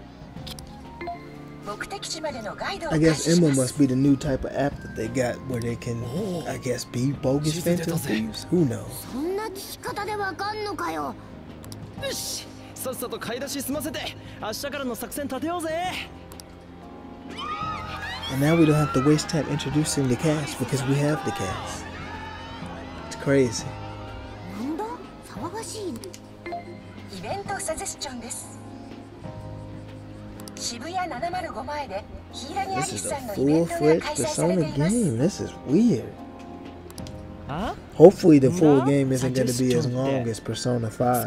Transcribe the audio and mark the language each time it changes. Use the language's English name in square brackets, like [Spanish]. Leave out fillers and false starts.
[Japanese] アプリに来ちゃわかんだよな。エマ?はい、お呼びですか?あれだあれ。目的地までのガイドを。 [English] I guess Emma must be the new type of app that they got where they can, I guess, be bogus phantom thieves. Who knows? [Japanese] そんな聞き方でわかんのかよ。よし、さっさと買い出し済ませて、明日からの作戦立てようぜ。 [English] And now we don't have to waste time introducing the cast because we have the cast. It's crazy. [Japanese] ベントサジェスチョンです。渋谷705前でヒイラギアリスさんのイベントが開催されています。 [English] This is weird. Hopefully the full game isn't going to be as long as Persona 5.